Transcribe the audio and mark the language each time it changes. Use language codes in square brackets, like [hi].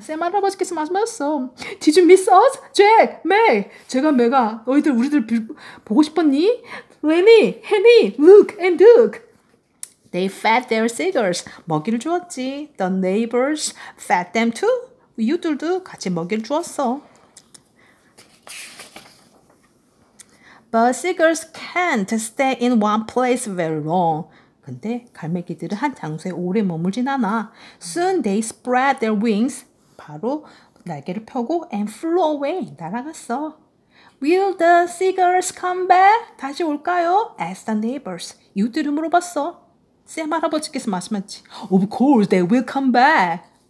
[ko] Sam 할아버지께서 말씀하셨어. [en] Did you miss us? [ko] Jack, May, 제가 메가, 너희들 우리들 보고 싶었니? [en] Lenny, Henny, Luke, and Duke. They fed their seagulls. [ko] 먹이를 주었지. [en] The neighbors fed them too. [ko] 이웃들도 같이 먹이를 주었어. [en] But seagulls can't stay in one place very long. [ko] 근데 갈매기들은 한 장소에 오래 머물진 않아. [en] Soon they spread their wings. [ko] 바로 날개를 펴고 [en] and flew away. [ko] 날아갔어. [en] Will the seagulls come back? [ko] 다시 올까요? [en] Asked the neighbors. [ko] 이웃들이 물어봤어. [en] Sam [ko] 할아버지께서 말씀했지. [en] Of course they will come back.